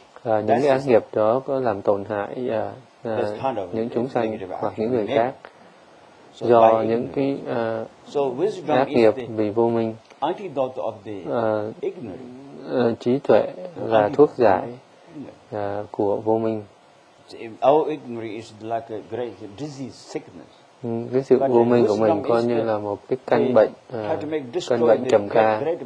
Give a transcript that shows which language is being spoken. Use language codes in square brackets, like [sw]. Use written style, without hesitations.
[vi] Những cái ác nghiệp đó có làm tổn hại những chúng sanh hoặc những người khác. Do những cái ác nghiệp vì vô minh. [en] Antidote of the ignorance. [vi] Trí tuệ là thuốc giải của vô minh. [en] Our ignorance is like a great disease, sickness. [vi] Cái sự vô minh của mình coi như là một cái căn bệnh, căn bệnh trầm kha.